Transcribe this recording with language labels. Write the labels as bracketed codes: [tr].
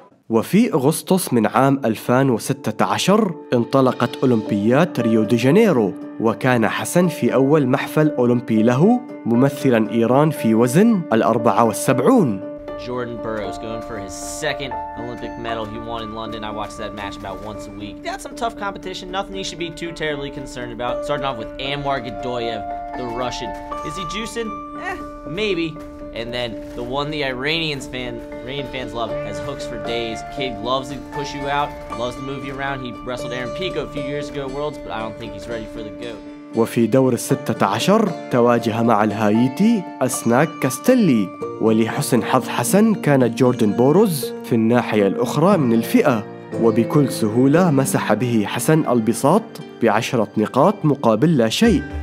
[ar] وفي أغسطس من عام 2016 انطلقت أولمبياد ريو دي جانيرو، وكان حسن في أول محفل أولمبي له ممثلا إيران في وزن 74. [en] Jordan Burroughs going for his second Olympic medal he won in London. I watched that match about once a week. That's some tough competition. Nothing he should be too terribly concerned about. Starting off with Anwar Gadoyev, the Russian. Is he juicing? Maybe. And then the one the Iranian fans love has hooks for days. Kid loves to push you out, loves to move you around. He wrestled Aaron Pico a few years ago at Worlds, but I don't think he's ready for the goat. [ar] وفي دور 16 تواجه مع الهايتي أسناك كاستيلي، ولحسن حظ حسن كان جوردن بوروز في الناحية الأخرى من الفئة، وبكل سهولة مسح به حسن البساط 10 نقاط مقابل لا شيء.